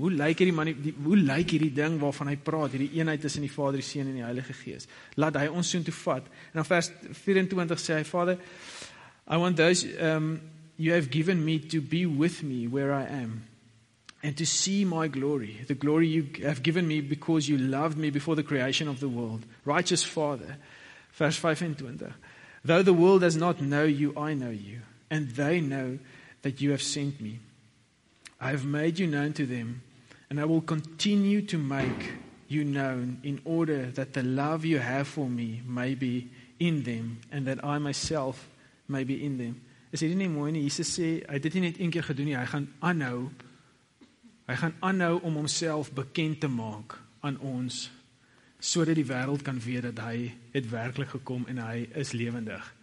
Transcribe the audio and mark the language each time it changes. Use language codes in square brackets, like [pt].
[af] Hoe lyk hierdie man, hoe lyk hierdie ding waarvan hy praat, hierdie eenheid tussen die Vader, die Seun en die Heilige Gees? Laat hy ons soontoe vat. En dan vers 24 sê hy, [en] Vader, I want those you have given me to be with me where I am and to see my glory, the glory you have given me because you loved me before the creation of the world. Righteous Father, [af] vers 25, [en] though the world does not know you, I know you, and they know that you have sent me. I have made you known to them, and I will continue to make you known in order that the love you have for me may be in them, and that I myself may be in them. [af] Is hierdie nie mooi nie? Jesus sê, hy het dit net een keer gedoen nie, hy gaan aanhou om homself bekend te maak aan ons, so dat die wereld kan weet dat hy het werkelijk gekom en hy is levendig.